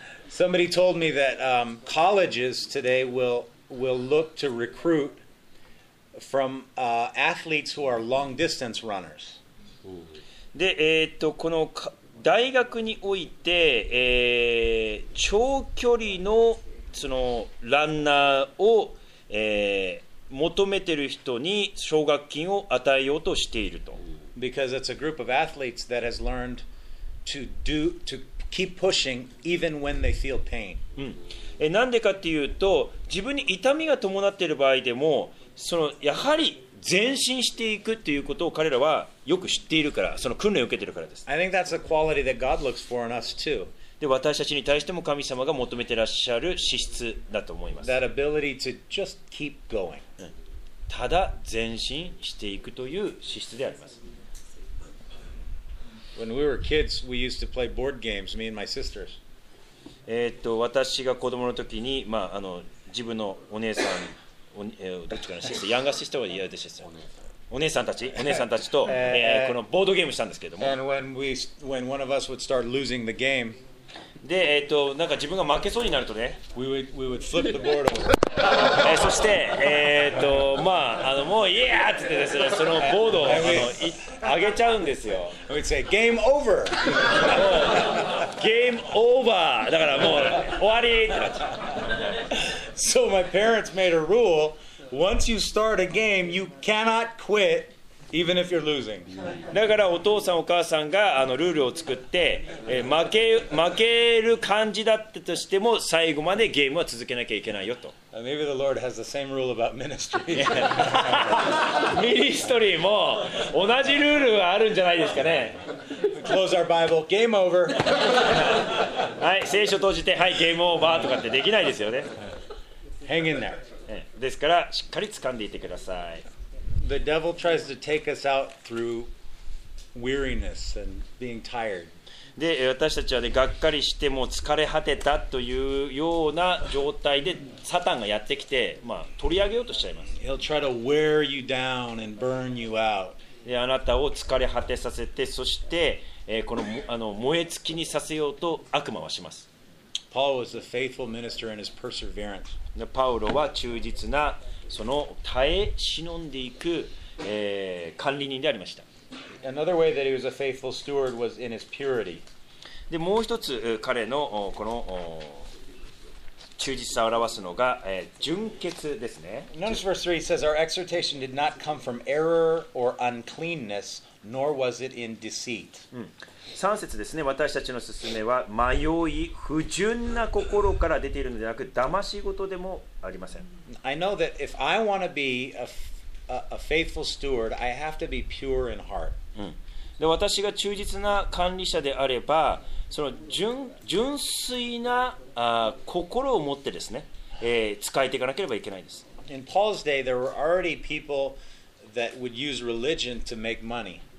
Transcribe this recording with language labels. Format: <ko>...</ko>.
<en>Somebody told me that colleges today will look to recruit. From athletes who are long distance runners.</en> <ja>で、この大学において、長距離のそのランナーを、求めている人に奨学金を与えようとしていると。</ja> <en>Because it's a group of athletes that has learned to keep pushing even when they feel pain.</en> <ja>なんでかっていうと、自分に痛みが伴っている場合でも。そのやはり前進していくということを彼らはよく知っているから、その訓練を受けているからです。</ja> <en>I think that's a quality that God looks for in us too.</en> <ja>で、私たちに対しても神様が求めていらっしゃる資質だと思います。</ja> <en>That ability to just keep going.</en> <ja>ただ前進していくという資質であります。</ja> <en>When we were kids, we used to play board games, me and my sisters.</en> <ja>私が子供の時に、まあ、あの自分のお姉さん、どっちかのシスター、ヤンガーシスターは嫌でした。お姉さんたち、お姉さんたちと、このボードゲームしたんですけども。</ja> <en>And when one of us would start losing the game,</en> <ja>で、なんか自分が負けそうになるとね、</ja> <en>we would flip the board over.</en> <ja>そして、まあ、あのもうイエーって言ってですね、そのボードをあの上げちゃうんですよ。</ja> <en>We'd say game over.</en> <ja>もうゲームオーバーだからもう終わりってなっちゃう。</ja> <en>So my parents made a rule: once you start a game, you cannot quit. Even if you're losing.</en> <ja>だからお父さんお母さんがあのルールを作って、負ける感じだったとしても最後までゲームは続けなきゃいけないよと。</ja> <en>Maybe the Lord has the same rule about ministry.</en> <ja>ミニストリーも同じルールがあるんじゃないですかね。</ja> <en>Close our Bible. Game over.</en> <ja>はい、聖書閉じて、はい、ゲームオーバーとかってできないですよね。</ja> <en>Hang in there.</en> <ja>ですからしっかり掴んでいてください。</ja> <en>The devil tries to take us out through weariness and being tired.</en> <ja>で、私たちはね、がっかりしてもう疲れ果てたというような状態でサタンがやってきて、まあ、取り上げようとしちゃいます。</ja> <en>He'll try to wear you down and burn you out.</en> <ja>で、あなたを疲れ果てさせて、そして、この、あの、燃え尽きにさせようと悪魔はします。</ja> <en>Paul was a faithful minister in his perseverance.</en> <ja>で、パウロは忠実なその耐え忍んでいく、管理人でありました。</ja> <en>Another way that he was a faithful steward was in his purity.</en> <ja>でもう一つ彼のこの忠実さを表すのが、純潔ですね。</ja> <en>Notice verse 3 says our exhortation did not come from error or uncleanness nor was it in deceit、</en> <ja>うん、3節ですね。私たちの勧めは迷い不純な心から出ているのではなく騙し事でもありません。</ja> <en>I know that if I want to be a faithful steward, I have to be pure in heart.、</en> <ja>うん、で私が忠実な管理者であれば、その 純粋なあ心を持ってですね、使えていかなければいけないです。</ja> <en>In Paul's day, there were already people that would use religion to make money.、</en>